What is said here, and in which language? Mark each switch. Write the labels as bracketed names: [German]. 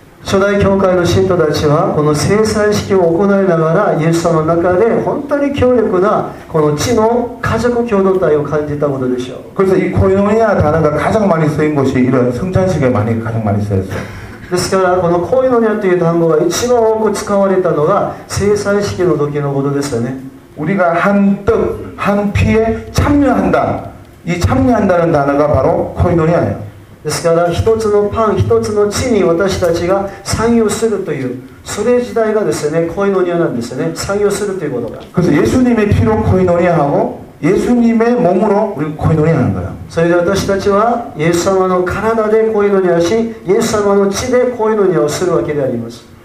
[Korean] 초대교회의신도들은 [Japanese] この聖餐식을行いながら예수様の中で本当に強力なこの地の家族共同体を感じたことでしょう [Korean] 그래서이코이노니아단어가가장많이쓰인곳이이런승찬식에많이가장많이쓰였어요 [Japanese] ですからこのコイノニアという単語が一番多く使われたのが聖餐式の時のことですよね。 [Korean] 우리가한떡한피에참여한다이참여한다는단어가바로코이노니아예요 [Japanese] ですから一つのパン一つの地に私たちが参与するというそれ自体がですねコイノニアなんですね参与するということが [Korean] 그래서예수님의피로코이노니아하고예수님의몸으로우리코이노니아하는거야 [Japanese] それで私たちは예수様の体でコイノニアし예수様の血でコイノニアをするわけであります